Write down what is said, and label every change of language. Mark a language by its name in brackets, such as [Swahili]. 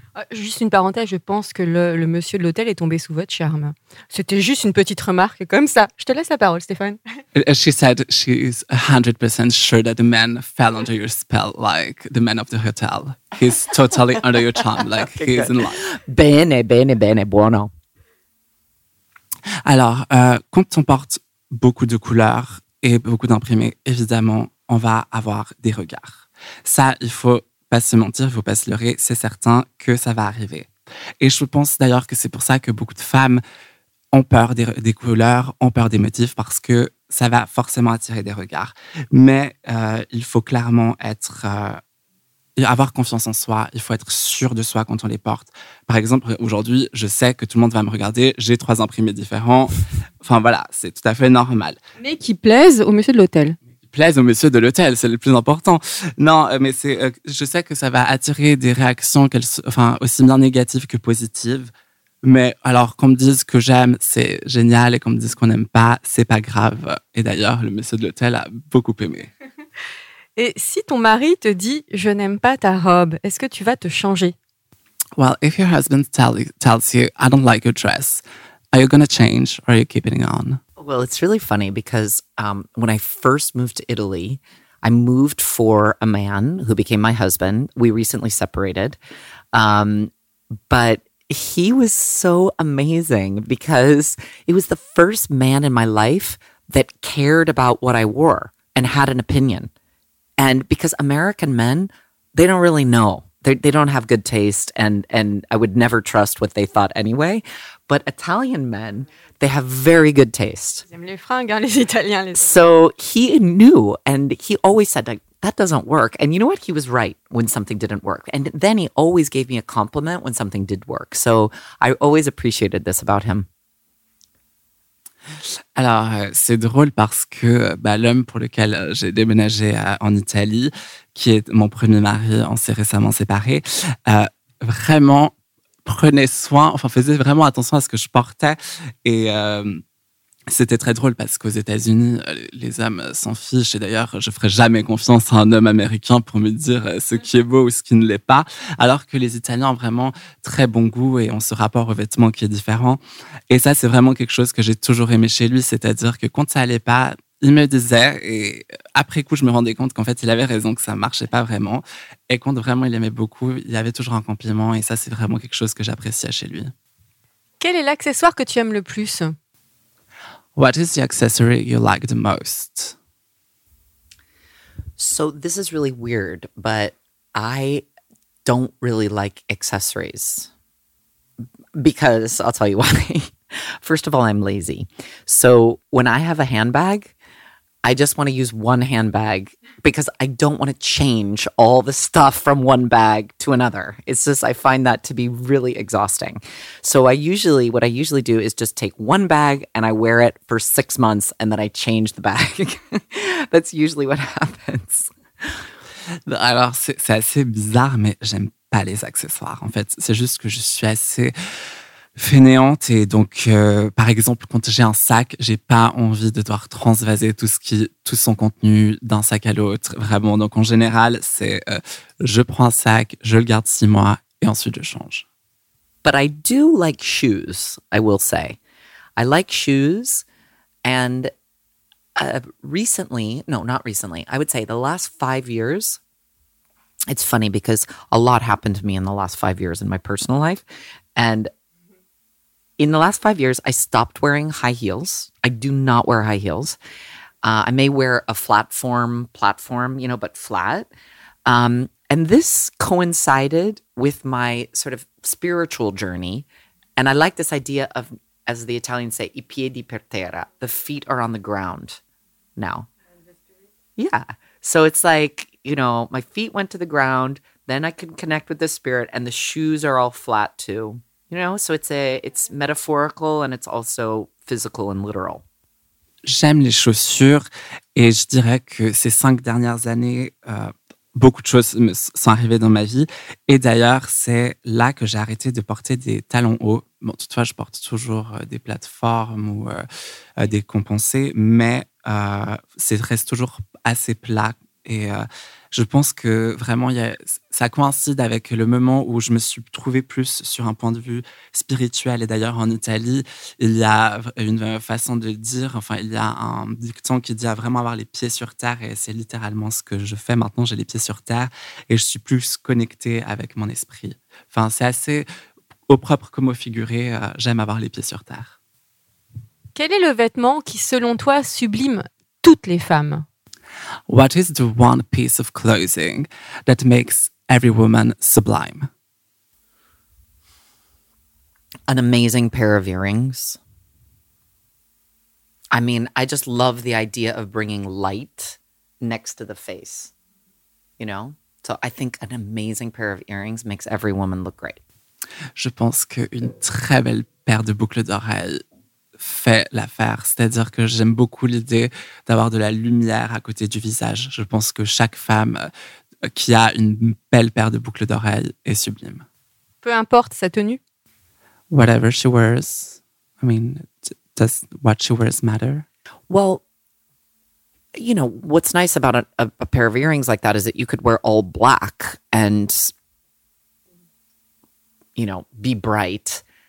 [French] Juste une parenthèse, je pense que le monsieur de l'hôtel est tombé sous votre charme. C'était juste une petite remarque comme ça. Je te laisse la parole, Stéphane. [English] She said she is 100% sure that the man fell under your spell, like the man of the hotel. He's totally under your charm, like okay, he's good. In love. [Italian] Bene, bene, bene, buono. [French] Alors, quand on porte beaucoup de couleurs et beaucoup d'imprimés, évidemment, on va avoir des regards. Ça, il faut pas se mentir, il faut pas se leurrer, c'est certain que ça va arriver. Et je pense d'ailleurs que c'est pour ça que beaucoup de femmes ont peur des couleurs, ont peur des motifs, parce que ça va forcément attirer des regards. Mais il faut clairement avoir confiance en soi, il faut être sûr de soi quand on les porte. Par exemple, aujourd'hui, je sais que tout le monde va me regarder, j'ai 3 imprimés différents. Enfin voilà, c'est tout à fait normal. Mais qui plaisent au monsieur de l'hôtel. Plaise au monsieur de l'hôtel, c'est le plus important. Non, mais c'est, je sais que ça va attirer des réactions, aussi bien négatives que positives. Mais alors, qu'on me dise que j'aime, c'est génial, et qu'on me dise qu'on n'aime pas, c'est pas grave. Et d'ailleurs, le monsieur de l'hôtel a beaucoup aimé. Et si ton mari te dit « je n'aime pas ta robe », est-ce que tu vas te changer? [English] Well, if your husband tells you « I don't like your dress », are you going to change or are you keeping on? Well, it's really funny because when I first moved to Italy, I moved for a man who became my husband. We recently separated. But he was so amazing because he was the first man in my life that cared about what I wore and had an opinion. And because American men, they don't really know. They don't have good taste, and I would never trust what they thought anyway. But Italian men, they have very good taste. [French] Ils aiment les fringues, hein, les Italiens. [English] So he knew, and he always said, like, that doesn't work. And you know what? He was right when something didn't work. And then he always gave me a compliment when something did work. So I always appreciated this about him. [French] Alors, c'est drôle parce que l'homme pour lequel j'ai déménagé en Italie, qui est mon premier mari, on s'est récemment séparés, vraiment prenait soin, enfin faisait vraiment attention à ce que je portais. Et c'était très drôle parce qu'aux États-Unis, les hommes s'en fichent. Et d'ailleurs, je ne ferai jamais confiance à un homme américain pour me dire ce qui est beau ou ce qui ne l'est pas. Alors que les Italiens ont vraiment très bon goût et ont ce rapport aux vêtements qui est différent. Et ça, c'est vraiment quelque chose que j'ai toujours aimé chez lui. C'est-à-dire que quand ça n'allait pas, il me disait. Et après coup, je me rendais compte qu'en fait, il avait raison, que ça ne marchait pas vraiment. Et quand vraiment il aimait beaucoup, il y avait toujours un compliment. Et ça, c'est vraiment quelque chose que j'appréciais chez lui. Quel est l'accessoire que tu aimes le plus ? [English] What is the accessory you like the most? So this is really weird, but I don't really like accessories because I'll tell you why. First of all, I'm lazy. So when I have a handbag, I just want to use one handbag because I don't want to change all the stuff from one bag to another. It's just, I find that to be really exhausting. So what I usually do is just take one bag and I wear it for 6 months and then I change the bag. That's usually what happens. [French] Alors, c'est assez bizarre, mais j'aime pas les accessoires. En fait, c'est juste que je suis assez fainéante et donc par exemple quand j'ai un sac, j'ai pas envie de devoir transvaser tout son contenu d'un sac à l'autre, vraiment. Donc en général, c'est je prends un sac, je le garde 6 mois et ensuite je change. [English] But I do like shoes, I will say. I like shoes and not recently, I would say the last 5 years. It's funny because a lot happened to me in the last 5 years in my personal life. And in the last 5 years, I stopped wearing high heels. I do not wear high heels. I may wear a platform, you know, but flat. And this coincided with my sort of spiritual journey. And I like this idea of, as the Italians say, [Italian] i piedi per terra, [English] the feet are on the ground now. Yeah. So it's like, you know, my feet went to the ground, then I could connect with the spirit, and the shoes are all flat too. You know, so it's metaphorical and it's also physical and literal. [French] J'aime les chaussures et je dirais que ces 5 dernières années, beaucoup de choses me sont arrivées dans ma vie. Et d'ailleurs, c'est là que j'ai arrêté de porter des talons hauts. Bon, toutefois, je porte toujours des plateformes ou des compensés, mais c'est reste toujours assez plat. Et je pense que vraiment, ça coïncide avec le moment où je me suis trouvée plus sur un point de vue spirituel. Et d'ailleurs, en Italie, il y a une façon de dire, enfin, il y a un dicton qui dit à vraiment avoir les pieds sur terre. Et c'est littéralement ce que je fais maintenant. J'ai les pieds sur terre et je suis plus connectée avec mon esprit. Enfin, c'est assez au propre comme au figuré. J'aime avoir les pieds sur terre. Quel est le vêtement qui, selon toi, sublime toutes les femmes ? [English] What is the one piece of clothing that makes every woman sublime? An amazing pair of earrings. I mean, I just love the idea of bringing light next to the face, you know? So I think an amazing pair of earrings makes every woman look great. [French] Je pense qu'une très belle paire de boucles d'oreilles fait l'affaire. C'est-à-dire que j'aime beaucoup l'idée d'avoir de la lumière à côté du visage. Je pense que chaque femme qui a une belle paire de boucles d'oreilles est sublime. Peu importe sa tenue. [English] Whatever she wears. I mean, does what she wears matter? Well, you know, what's nice about a pair of earrings like that is that you could wear all black and, you know, be bright.